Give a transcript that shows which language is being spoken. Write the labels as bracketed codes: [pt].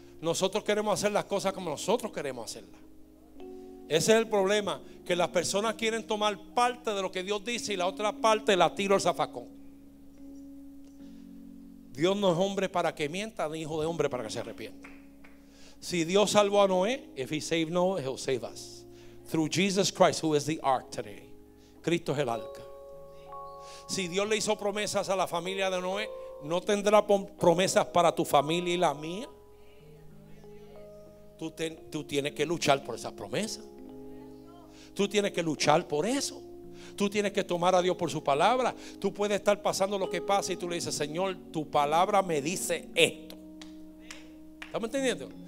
[es] Nosotros queremos hacer las cosas como nosotros queremos hacerlas. Ese es el problema, que las personas quieren tomar parte de lo que Dios dice y la otra parte la tiro al zafacón. Dios no es hombre para que mienta, ni hijo de hombre para que se arrepienta. Si Dios salvó a Noé, [en] if he saved Noah, he'll save us. Through Jesus Christ, who is the ark today. [es] Cristo es el arca. Si Dios le hizo promesas a la familia de Noé, ¿no tendrá promesas para tu familia y la mía? Tú tienes que luchar por esa promesa. Tú tienes que luchar por eso. Tú tienes que tomar a Dios por su palabra. Tú puedes estar pasando lo que pasa y tú le dices: Señor, tu palabra me dice esto. ¿Estamos entendiendo?